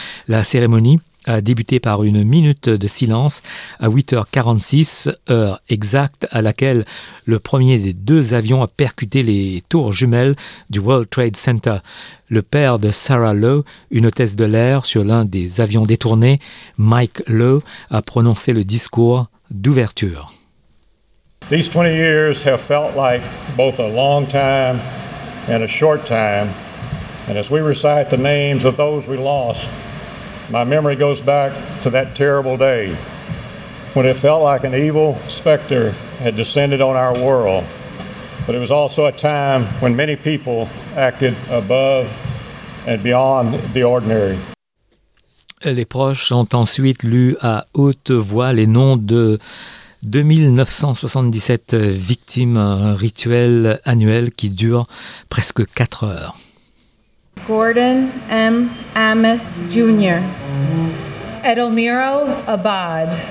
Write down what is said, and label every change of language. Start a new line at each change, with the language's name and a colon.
French: La cérémonie a débuté par une minute de silence à 8h46, heure exacte à laquelle le premier des deux avions a percuté les tours jumelles du World Trade Center. Le père de Sarah Lowe, une hôtesse de l'air sur l'un des avions détournés, Mike Lowe, a prononcé le discours d'ouverture.
English: These 20 years have felt like both a long time and a short time. And as we recite the names of those we lost, my memory goes back to that terrible day when it felt like an evil specter had descended on our world. But it was also a time when many people acted above and beyond the ordinary.
French: Les proches ont ensuite lu à haute voix les noms de 2977 victimes, un rituel annuel qui dure presque 4 heures. Gordon M. Ameth Jr. Edelmiro Abad.